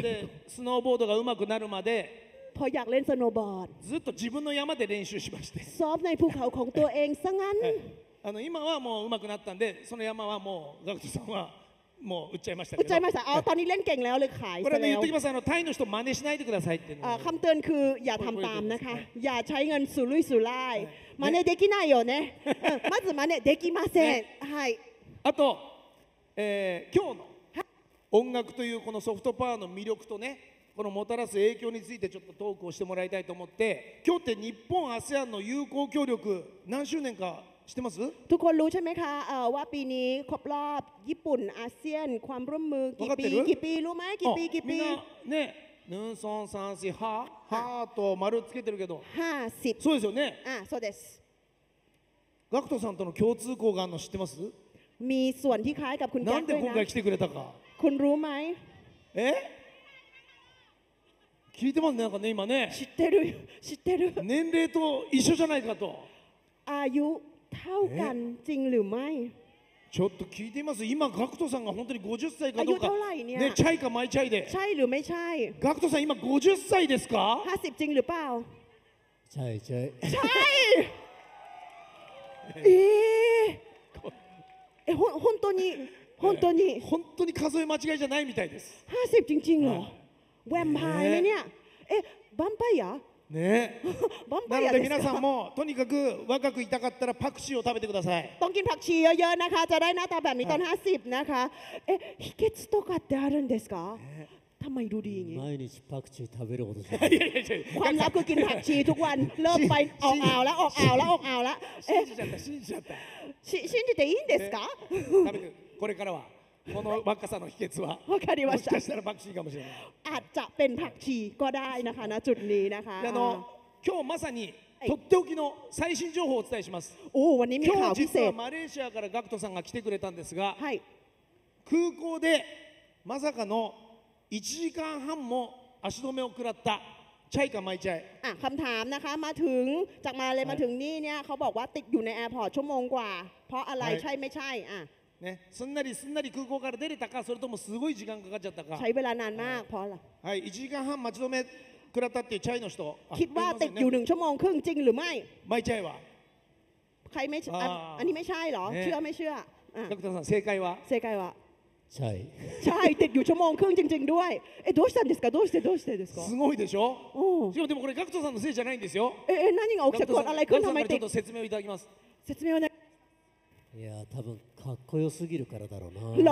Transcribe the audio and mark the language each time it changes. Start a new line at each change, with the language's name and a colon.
Japanese: でスノーボードが上手くなるまで
Thai: พออยากเล่นสโนว์บอร์ด
Japanese: ずっと自分の山で練習しまして
Thai: ซ้อมในภูเขาของตัวเองซะงั้น
Japanese: 今はもう上手くなったんでその山はもうガクトさんはもう売っちゃいましたけど売っちゃいました
Thai: อ๋อตอนนี้เล่นเก่งแล้วเลยขาย
Japanese: これね言っときますタイの人真似しないでくださいって
Thai: คำเตือนคืออย่าทำตามนะคะอย่าใช้เงินสุรุ่ยสุร่าย
Japanese: 真似できないよねまず真似できませんはいあと今日の音楽というこのソフトパワーの魅力とねこのもたらす影響についてちょっとトークをしてもらいたいと思って今日って日本 ASEAN の友好協力何周年か知ってます？
Thai: ทุกคนรู้ใช่ไหมคะว่าปีนี้ครบรอบญี่ปุ่นอาเซียนความร่วมมือกี่ปีรู้ไหมกี่ปีกี่ปีเนี่ยหนึ่งสองสามสี่ห้าห้าตัวมารุ่น
Japanese: つけてるけど 50 そうですよねそうですガクトさんとの共通項があるの知ってます？
Thai: มีส่วนที่คล้ายกับคุณ แก๊กนะ。
Japanese: なんで今回来てくれたか。
Thai: คุณรู้ไหม？
Japanese: え？聞いてますねなんかね今ね。知ってる知ってる。年齢と一緒じゃないかと。
Thai: อายุเท่ากันจริงหรือไม่
Japanese: ちょっと聞いてます今ガクトさんが本当に50歳かどうか。
Thai: อายุเท่าไหร่เนี่ย。
Japanese: ねチャイかマイチャイで。
Thai: ใช่หรือไม่ใช่。
Japanese: ガクトさん今50歳ですか？
Thai: 50จริงหรือเปล่า？ ใช่ใช่。 ใช่。
Japanese: 本当に本当に本当に数え間違いじゃないみたいです。ハセプチンチンよ。ヴァンパイアね。え、ヴァンパイア？ね。ヴァンパイアですか？なので皆さんもとにかく若くいたかったらパクチーを食べてください。
Thai: ต้องกินผักชีเยอะๆนะคะจะได้หน้าตาแบบนี้ตอน50นะคะ。
Japanese: え、秘訣とかってあるんですか？
Thai: ทำไมดูดีอย่าง
Japanese: นี้毎日パクチー食べること。
Thai: ความลับคือกินผักชีทุกวันเริ่มไปออกอ่าวแล้วออกอ่าวแล้วออกอ่าวแล้ว。
Japanese: 信じちゃった信じちゃった。信じていいんですか？これからはこの若さの秘訣は。わかりました。もしかしたらパクチーかもしれない。あ、じゃあ、便パクチー
Thai: ก็ได้นะคะณจุดนี้นะคะ。
Japanese: あの今日まさにとっておきの最新情報をお伝えします。おお、今日実はマレーシアからガクトさんが来てくれたんですが、はい。空港でまさかの1時間半も足止めを食らった。
Thai: ใช่กับไม่ใช่ คำถามนะคะมาถึงจากมาเลยมาถึงนี่เนี่ยเขาบอกว่าติดอยู่ในแอร์พอร์ตชั่วโมงกว่าเพราะอะไรใช่ไม่ใช่
Japanese: ね、すんなりすんなり空港から出れたか、それともすごい時間かかっちゃったか。
Thai: ใช้เวลานานมากเพราะอะไ ร。
Japanese: はい、1時間半待ち止め食らったっていうチャイの人。
Thai: คิดว่าติดอยู่1ชั่วโมงครึ่งจริงหรือไม่？ไม่ใช่ว่ะ。 ใครไม่ใช่อันนี้ไม่ใช่เหรอเชื่อไม่เชื่อ？
Japanese: ดร. さん、正解は？正解は。
Thai: ใช่ใช่ติดอยู่ชั่วโมงครึ่งจริงๆด้วยเอ๊ะ
Japanese: どうしたんですかどうしてどうしてですかすごいでしょしかもでもこれガクトさんのせいじゃないんですよ何が起きたことあれくんさんからちょっと説明をいただきます説明はねいや多分かっこよすぎるからだろうな